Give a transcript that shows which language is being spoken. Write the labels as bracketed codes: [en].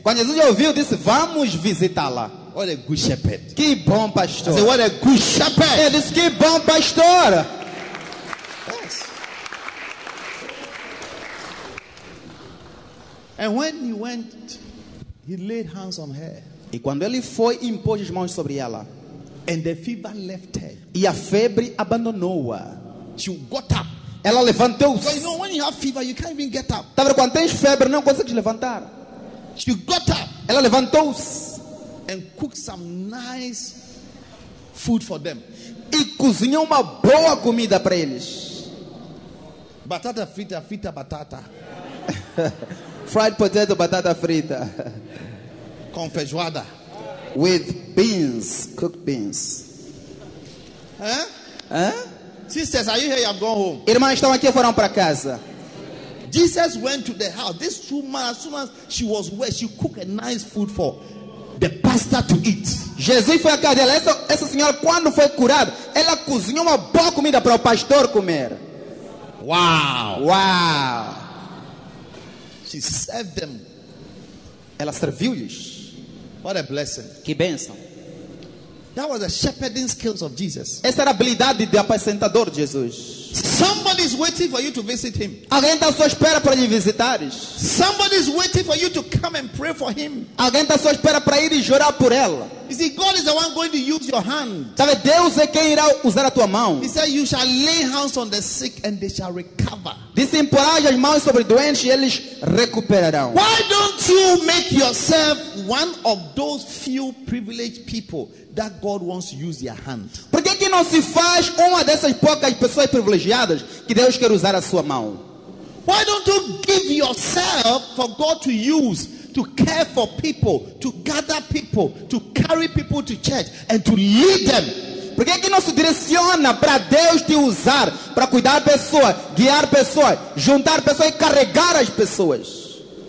[pt] Quando Jesus ouviu, disse, "Vamos visitá-la." [en] What a good shepherd! [pt] Que bom pastor! [en] I said, "What a good shepherd!" [pt] Ele disse, "Que bom pastor!" [en] Yes. And when he went, he laid hands on her. [pt] E quando ele foi, impôs as mãos sobre ela. [en] And the fever left her. [pt] E a febre abandonou-a. [en] She got up. [pt] Ela levantou. [en] So, you know, when you have fever, you can't even get up. [pt] Tá vendo, quando tens febre, não consegues levantar. [en] She got up. [pt] Ela levantou-se. [en] And cooked some nice food for them. [pt] E cozinhou uma boa comida para eles. Batata frita, frita batata. [en] Fried potato, batata frita. [pt] Com feijoada. [en] With beans, cooked beans. Sisters, are you here? You have gone home. [pt] Irmãs estão aqui, foram para casa. [en] Jesus went to the house. This woman, as soon as she was well, she cooked a nice food for the pastor to eat. [pt] Jesus foi à casa dela. Essa senhora, quando foi curada, ela cozinhou uma boa comida para o pastor comer. [en] Wow! Wow! She served them. [pt] Ela serviu-lhes. [en] What a blessing! [pt] Que bênção! [en] That was the shepherding skills of Jesus. [pt] Essa era a habilidade de apacentador de Jesus. [en] Somebody. is waiting for you to visit him. [pt] Alguém está só espera para lhe visitar. [en] Somebody is waiting for you to come and pray for him. [pt] Alguém está só espera para ir e orar por ela. [en] You see, God is the one going to use your hand. [pt] Sabe, Deus é quem irá usar a tua mão. [en] He said, "You shall lay hands on the sick and they shall recover." [pt] Disse, imporá as mãos sobre doentes e eles recuperarão. [en] Why don't you make yourself one of those few privileged people that God wants to use your hand? [pt] Por que não se faz uma dessas poucas pessoas privilegiadas que Deus quer usar a sua mão? [en] Why don't you give yourself for God to use? To care for people, to gather people, to carry people to church, and to lead them. [pt] Por que não se direciona para Deus te usar, para cuidar pessoas, guiar pessoas, juntar pessoas e carregar as pessoas?